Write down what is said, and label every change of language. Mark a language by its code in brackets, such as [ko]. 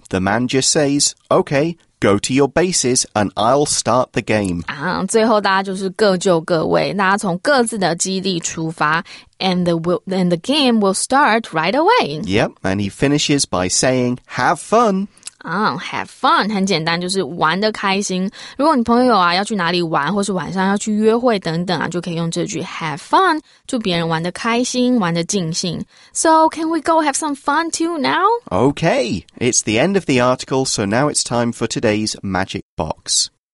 [en] The man just says, okay,Go to your bases, and I'll start the game. [zh] 最后大家就是各就各位，大家从各自的基地出发 [en] and the game will start right away. Yep, and he finishes by saying, have fun. Have fun, [zh] 很简单，就是玩得开心。如果你朋友啊要去哪里玩，或是晚上要去约会等等啊，就可以用这句 [en] have fun, [zh] 祝别人玩得开心，玩得尽兴。 [en] So, can we go have some fun too now? Okay, it's the end of the article, so now it's time for today's magic box.